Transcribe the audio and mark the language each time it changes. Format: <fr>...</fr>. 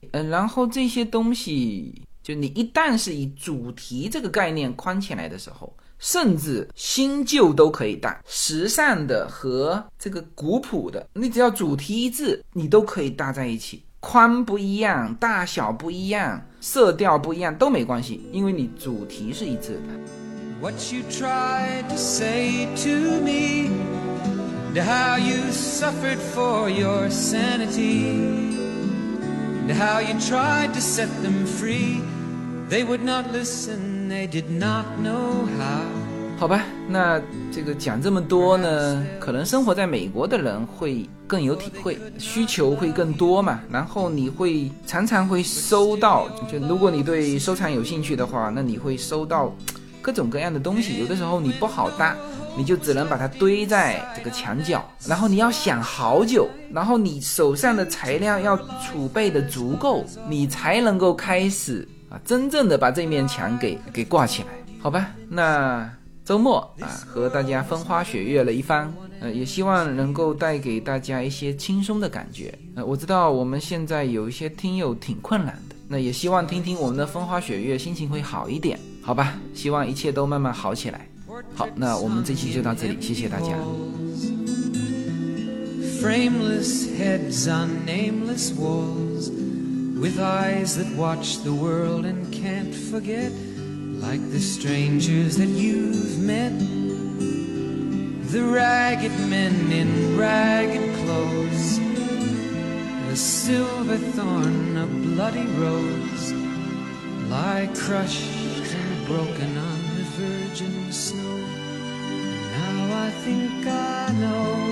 <zh>然后这些东西就你一旦是以主题这个概念框起来的时候，甚至新旧都可以搭，时尚的和这个古朴的，你只要主题一致你都可以搭在一起，宽不一样，大小不一样，色调不一样都没关系，因为你主题是一致的。</zh> <en>What you tried to say to me And how you suffered for your sanity And how you tried to set them free They would not listen, they did not know how。</en> <zh>好吧，那这个讲这么多呢，可能生活在美国的人会更有体会，需求会更多嘛，然后你会常常会收到，就如果你对收藏有兴趣的话，那你会收到各种各样的东西，有的时候你不好搭，你就只能把它堆在这个墙角，然后你要想好久，然后你手上的材料要储备的足够，你才能够开始啊，真正的把这面墙给挂起来。好吧，那周末啊，和大家风花雪月了一番，也希望能够带给大家一些轻松的感觉。我知道我们现在有一些听友挺困难的，那也希望听听我们的风花雪月，心情会好一点，好吧？希望一切都慢慢好起来。好，那我们这期就到这里，谢谢大家。</zh> <en>Frameless heads on nameless walls, with eyes that watch the world and can't forget. Like the strangers that you've met The ragged men in ragged clothes A silver thorn, a bloody rose Lie crushed and broken on the virgin snow Now I think I know</en>